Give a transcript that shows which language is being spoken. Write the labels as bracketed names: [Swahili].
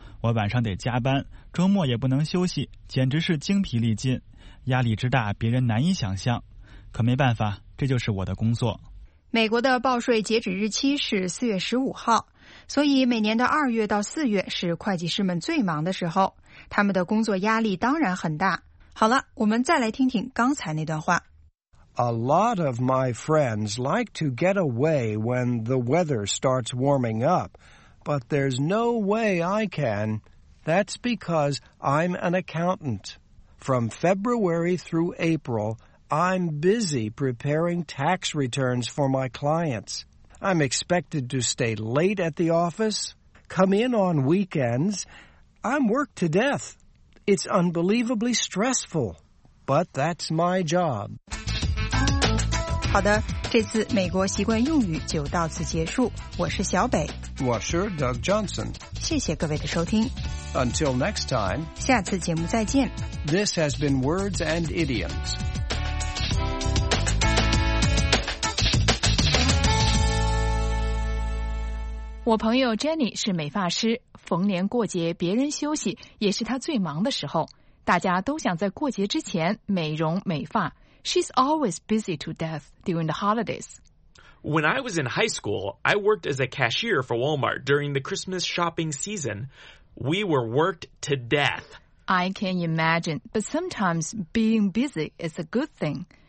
[Chinese] 我晚上得加班，周末也不能休息，简直是精疲力尽，压力之大，别人难以想象。可没办法，这就是我的工作。美国的报税截止日期是四月十五号，所以每年的二月到四月是会计师们最忙的时候。他们的工作压力当然很大。好了，我们再来听听刚才那段话。 [English] A lot of my friends like to get away when the weather starts warming up, but there's no way I can. That's because I'm an accountant. From February through April, I'm busy preparing tax returns for my clients. I'm expected to stay late at the office, come in on weekends,I'm worked to death. It's unbelievably stressful, but that's my job. [Chinese] 好的，这次美国习惯用语就到此结束。我是小北，我是 Doug Johnson. 谢谢各位的收听。 [English] Until next time. [Chinese] 下次节目再见。 [English] This has been Words and Idioms. [Chinese] 我朋友 Jenny 是美发师，逢年过节别人休息也是她最忙的时候，大家都想在过节之前美容美发。 [English] She's always busy to death during the holidays. When I was in high school, I worked as a cashier for Walmart during the Christmas shopping season. We were worked to death. I can imagine, but sometimes being busy is a good thing.